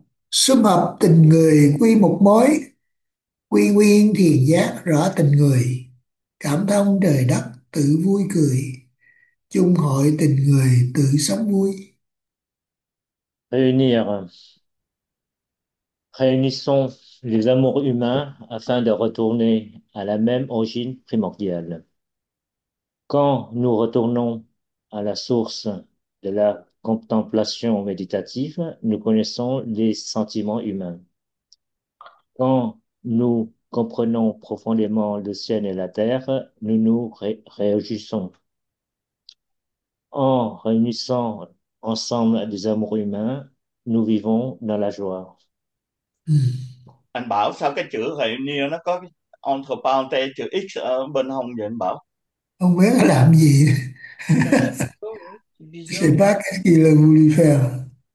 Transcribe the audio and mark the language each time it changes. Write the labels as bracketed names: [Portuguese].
[Vietnamese] Sum họp tình người quy một mối, quy nguyên thiền giác rõ tình người, cảm thông trời đất tự vui cười, chung hội tình người tự sống vui. [French] Réunir. Réunissons les amours humains afin de retourner à la même origine primordiale. Quand nous retournons à la source de la contemplation méditative, nous connaissons les sentiments humains. Quand nous comprenons profondément le ciel et la terre, nous nous réjouissons. En réunissant ensemble des amours humains, nous vivons dans la joie. [Vietnamese] Anh bảo sao cái chữ réunir nó có [French] entre parenthèses [Vietnamese] chữ x ở Không biết làm gì. bên hông vậy anh [French] C'est pas ce qu'il a voulu faire.